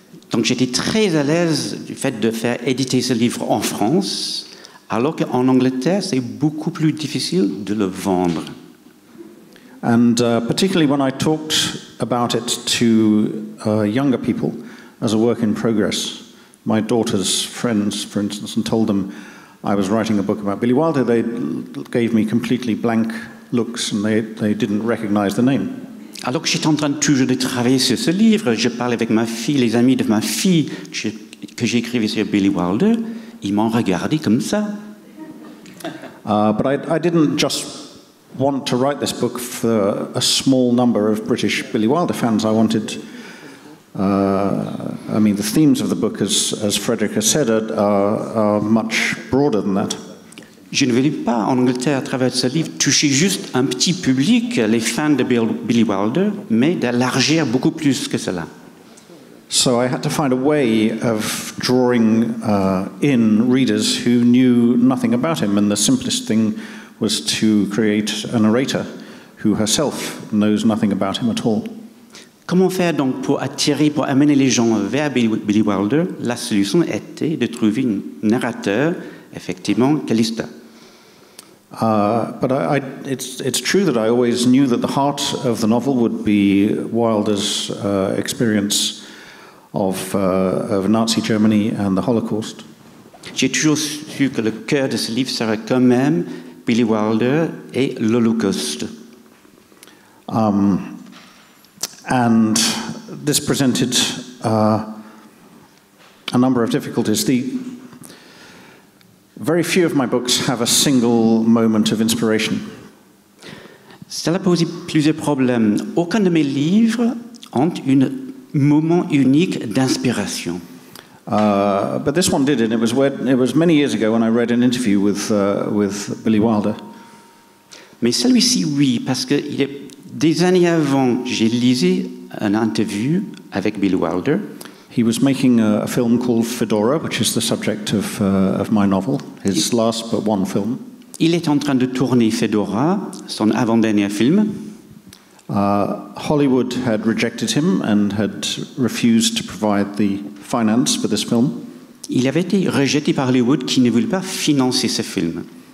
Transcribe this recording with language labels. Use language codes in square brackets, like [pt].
[fr] Donc j'étais très à l'aise du fait de faire éditer ce livre en France, alors qu'en Angleterre, c'est beaucoup plus difficile de le vendre. [en] And particularly when I talked about it to younger people as a work in progress, my daughter's friends, for instance, and told them I was writing a book about Billy Wilder, they gave me completely blank looks and they didn't recognize the name. [fr] Alors que j'étais en train toujours de travailler sur ce livre, je parlais avec ma fille, les amis de ma fille que j'écrivais sur Billy Wilder, ils m'ont regardé comme ça. [en] But I didn't just want to write this book for a small number of British Billy Wilder fans. I wanted, the themes of the book, as Frédéric has said, are much broader than that. [fr] Je ne voulais pas, en Angleterre, à travers ce livre, toucher juste un petit public, les fans de Billy Wilder, mais d'élargir beaucoup plus que cela. [en] So I had to find a way of drawing in readers who knew nothing about him, and the simplest thing was to create a narrator who herself knows nothing about him at all. [fr] Comment faire donc pour attirer, pour amener les gens vers Billy Wilder? La solution était de trouver un narrateur, effectivement, Calista. [en] But it's true that I always knew that the heart of the novel would be Wilder's experience of Nazi Germany and the Holocaust. [fr] J'ai toujours su que le cœur de ce livre serait quand même Billy Wilder et l'Holocauste. [en] And this presented a number of difficulties. Very few of my books have a single moment of inspiration. [fr] Cela pose plusieurs problèmes. Aucun de mes livres ont un moment unique d'inspiration. [en] But this one did, and it was many years ago when I read an interview with Billy Wilder. [fr] Mais celui-ci, oui, parce que il est des années avant, j'ai lisé une interview avec Billy Wilder. [en] He was making a film called Fedora, which is the subject of my novel, his last but one film. [fr] Il est en train de tourner Fedora, son avant-dernier film. [en] Hollywood had rejected him and had refused to provide the finance for this film. [fr] Il avait été rejeté par Hollywood, qui ne voulait pas financer ce film.